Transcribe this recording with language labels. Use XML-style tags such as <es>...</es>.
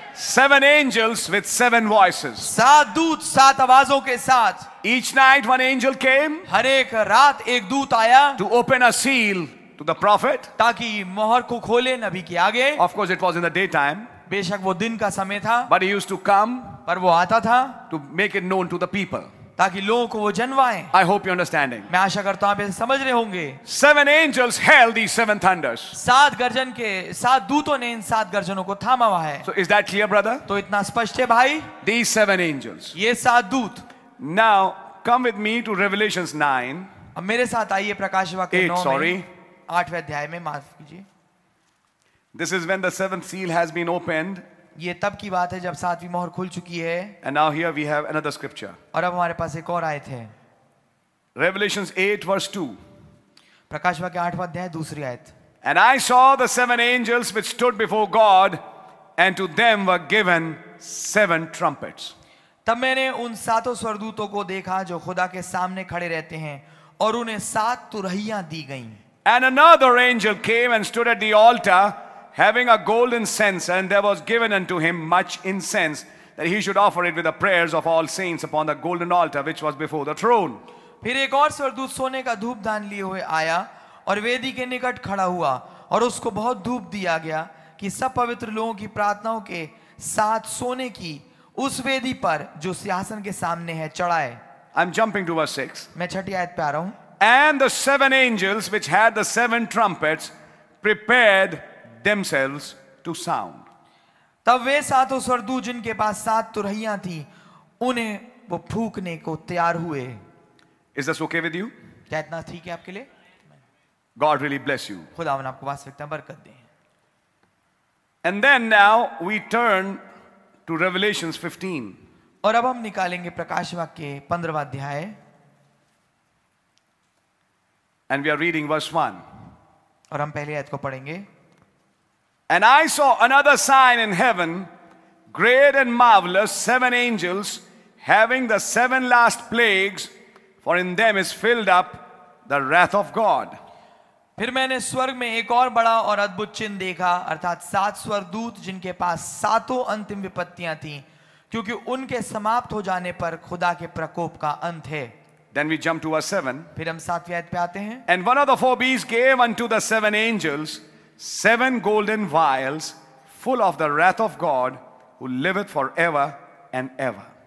<en>Seven angels with seven voices.</en> <hi>सात दूत सात आवाजों के साथ.</hi> <en>Each night one angel came.</en> <hi>हर एक रात एक दूत आया.</hi> <en>To open a seal to the prophet.</en> <hi>ताकि मोहर को खोले नबी के आगे.</hi> <en>Of course it was in the daytime.</en> <hi>बेशक वो दिन का समय था.</hi> <en>But he used to come.</en> <hi>पर वो आता था.</hi> <en>To make it known to the people.</en> <hi>ताकि लोगों को वो जनवाएं।</hi> <en>I hope you're understanding.</en> <hi>मैं आशा करता हूँ आप ये समझ रहे होंगे।</hi> <en>Seven angels held these seven thunders.</en> <hi>सात गर्जन के सात दूतों ने इन सात गर्जनों को थामा हुआ है।</hi> <en>So is that clear, brother?</en> <hi>तो इतना स्पष्ट है भाई?</hi> <en>These seven angels.</en> <hi>ये सात दूत।</hi> <en>Now come with me to Revelations 9.</en> <hi>अब मेरे साथ आइए प्रकाश वाक्य 9 में।</hi> <en>Sorry.</en> <hi>आठवें अध्याय में माफ कीजिए।</hi> <en>This is when the seventh seal has been opened.</en> <hi>ये तब की बात है जब सातवीं मोहर खुल चुकी है।</hi> <en>And now here we have another scripture.</en> <hi>और अब हमारे पास एक और आयत है।</hi> <en>Revelations 8 verse 2.</en> <hi>प्रकाश वाक्य 8वां अध्याय दूसरी आयत।</hi> <en>And I saw the seven angels which stood before God, and to them were given seven trumpets.</en> <hi>तब मैंने उन सातों स्वर्गदूतों को देखा जो खुदा के सामने खड़े रहते हैं और उन्हें सात तुरहियां दी गईं।</hi> <en>And another angel came and stood at the altar, having a golden censer, and there was given unto him much incense, that he should offer it with the prayers of all saints upon the golden altar which was before the throne.</en> <hi>फिर एक और स्वर्गदूत सोने का धूप दान लिए हुए आया और वेदी के निकट खड़ा हुआ और उसको बहुत धूप दिया गया कि सब पवित्र लोगों की प्रार्थनाओं के साथ सोने की उस वेदी पर जो सिंहासन के सामने है चढ़ाए।</hi> <en>I'm jumping to verse 6.</en> <hi>मैं छठी आयत पे आ रहा हूं।</hi> <en>And the seven angels which had the seven trumpets prepared themselves to sound.</en> <hi>तब वे सातों स्वर्गदूत जिनके पास सात तुरहियां थी उन्हें वो फूंकने को तैयार हुए।</hi> <en>Is this okay with you?</en> <hi>क्या इतना ठीक है आपके लिए?</hi> <en>God really bless you.</en> <hi>खुदावन आपको वास्तविकता बरकत दे।</hi> <en>And then now we turn to Revelations 15.</en> <hi>और अब हम निकालेंगे प्रकाश वाक्य 15वां अध्याय।</hi> <en>And we are reading verse 1.</en> <hi>और हम पहली आयत को पढ़ेंगे।</hi> <en>And I saw another sign in heaven, great and marvelous, seven angels having the seven last plagues, for in them is filled up the wrath of God.</en> <hi>फिर मैंने स्वर्ग में एक और बड़ा और अद्भुत चिन्ह देखा, अर्थात सात स्वर्गदूत जिनके पास सातों अंतिम विपत्तियां थीं, क्योंकि उनके समाप्त हो जाने पर खुदा के प्रकोप का अंत है।</hi> <en>Then we jump to verse 7.</en> <hi>फिर हम सातवीं आयत पे आते हैं।</hi> <en>And one of the four beasts gave unto the seven angels seven golden vials full of the wrath of God who liveth forever and ever.</en>